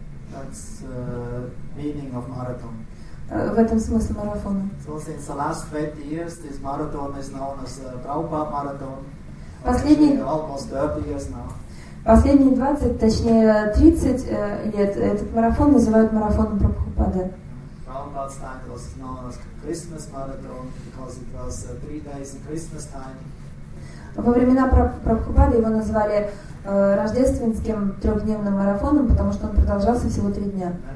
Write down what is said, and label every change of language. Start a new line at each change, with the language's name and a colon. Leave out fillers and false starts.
English: That's meaning of marathon.
Russian: В этом смысл марафона.
English: So since the last 20 years, this marathon is known as Prabhupada marathon.
Russian: Последние
English: almost 30 years now.
Russian: Последние 20, точнее 30 лет этот марафон называют марафоном Прабхупады.
English: Prabhupada's time was known as Christmas marathon because it was 3 days in Christmas time.
Russian: Во времена Прабхупады его назвали рождественским трехдневным марафоном, потому что он продолжался всего 3 дня.